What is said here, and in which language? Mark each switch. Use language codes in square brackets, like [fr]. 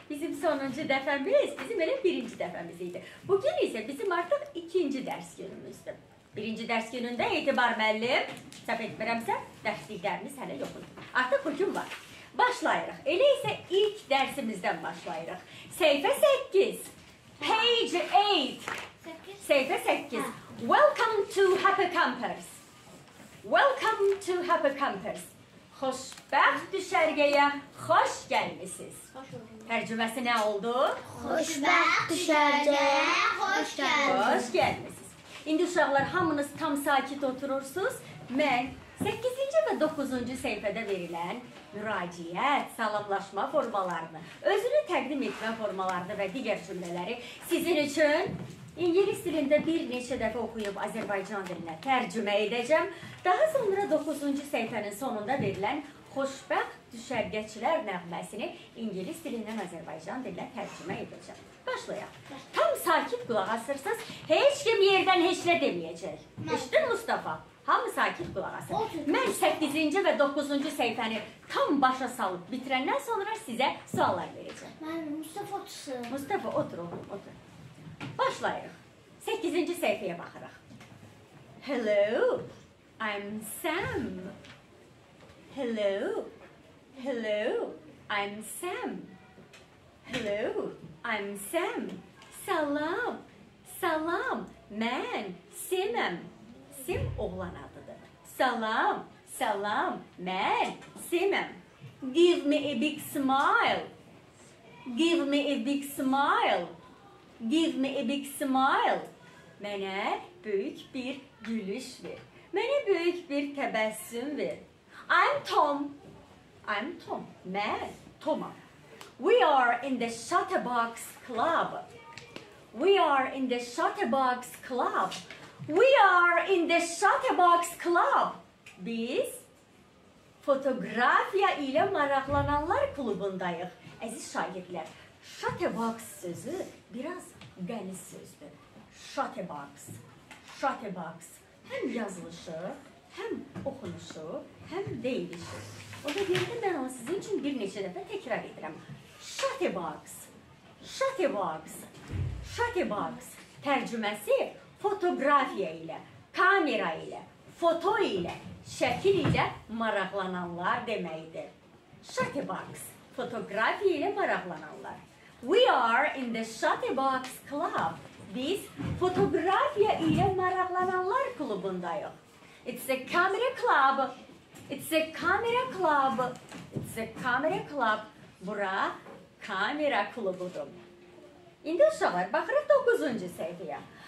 [az] Bizim sonuncu dəfəmiz, bizim elə birinci dəfəmiz idi. Bugün isə bizim artıq ikinci dərs günümüzdür. Birinci dərs günündə etibar müəllim, səhv etmirəmsə, dərsliklərimiz hələ yox idi. Artıq bugün var. Başlayırıq. Elə isə ilk dərsimizdən başlayırıq. Səhifə 8. [en] Page 8. [az] Səhifə 8. [en] Welcome to Happy Campers. Welcome to Happy Campers. [az] Xoşbəxt düşərgəyə xoş gəlmisiniz. Tərcüməsi nə oldu? Xoşbəxt düşərgəyə xoş gəlmisiniz. Xoş gəlmisiniz. İndi uşaqlar, hamınız tam sakit oturursunuz. Mən 8-ci və 9-cu səhifədə verilən müraciət, salamlaşma formalarını, özünü təqdim etmə formalarını və digər cümlələri sizin üçün İngilis dilində bir neçə dəfə oxuyub Azərbaycan dilinə tərcümə edəcəm. Daha sonra 9-cu səhifənin sonunda verilən Xoşbəxt düşərgəçilər nəğməsini ingilis dilindən Azərbaycan dilinə tərcümə edəcəm. Başlayaq. Tam sakit qulaq asırsınız. Heç kim yerdən heç nə deməyəcək. Eşitdin Mustafa? Hamı sakit qulaq asır. Mən 8-ci və 9-cu səhifəni tam başa salıb bitirəndən sonra sizə suallar verəcəm. Mən Mustafa otursun. Mustafa otur oğlum, otur. Başlayırıq. 8-ci səhifəyə baxırıq. [en] Hello, I'm Sam. Hello, hello, I'm Sam. Hello, I'm Sam. [az] Salam, salam, mən Sam'im. Sim oğlan adıdır. Salam, salam, mən Sam'im. [en] Give me a big smile. Give me a big smile. Give me a big smile. [az] Mənə büyük bir gülüş ver. Mənə büyük bir təbəssüm ver. [en] I'm Tom. I'm Tom. [az] Mən Tom'a. [en] We are in the Shutterbox Club. We are in the Shutterbox Club. We are in the Shutterbox Club. [az] Biz fotoğrafya ilə maraqlananlar klubundayıq. Əziz şagirdlər, Shutterbox sözü biraz qəliz sözdür. Shutterbox, Shutterbox. Həm yazılışı, həm oxunuşu, həm deyilişi. O da deyir ki, mən onu sizin üçün bir neçə dəfə təkrar edirəm. Shutterbox, Shutterbox, Shutterbox. Tərcüməsi fotoğrafiya ilə, kamera ilə, foto ilə, şəkil ilə maraqlananlar deməkdir. Shutterbox, fotoğrafiya ilə maraqlananlar. [en] We are in the Shutterbox Club. [az] Biz fotoğrafiya ilə maraqlananlar klubundayıq. [en] It's a camera club. It's a camera club. It's a camera club. [az] Bura kamera klubudur. İndi uşaqlar, baxırıq 9-cu səhifəyə.